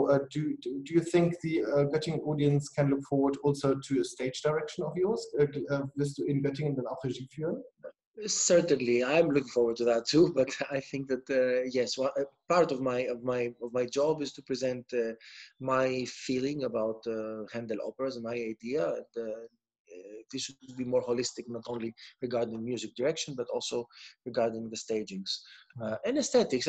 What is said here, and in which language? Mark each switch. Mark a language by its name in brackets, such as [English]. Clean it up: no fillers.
[English] Do you think the Göttingen audience can look forward also to a stage direction of yours? [German] Wirst du in Göttingen dann auch Regie führen? [English] Certainly, I'm looking forward to that too. But I think that yes, well, part of my job is to present my feeling about Handel operas and my idea. This should be more holistic, not only regarding music direction, but also regarding the stagings and aesthetics.